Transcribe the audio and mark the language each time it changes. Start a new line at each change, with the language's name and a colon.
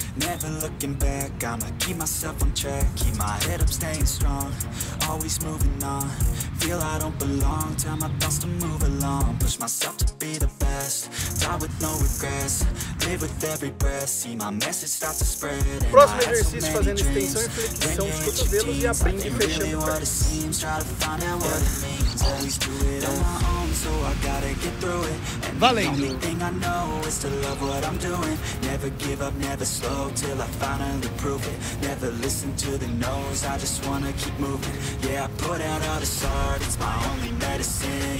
English: Never looking back, I'ma keep myself on track. Keep my head up, staying strong, always moving on. Feel I don't belong, tell my thoughts to move along. Push myself to be the best, die with no regrets. Live with every breath, see my message start to spread.
Portuguese: Próximo exercício, fazendo extensão e flexão dos cotovelos e abrindo e fechando o pé.
English: What it seems, try to find out what it means. Always do it on my own, so I gotta get through it. And
Portuguese: valendo.
English: The only thing I know is to love what I'm doing. Never give up, never slow, till I finally prove it. Never listen to the no's, I just wanna keep moving. Yeah, I put out all this art, it's my only medicine.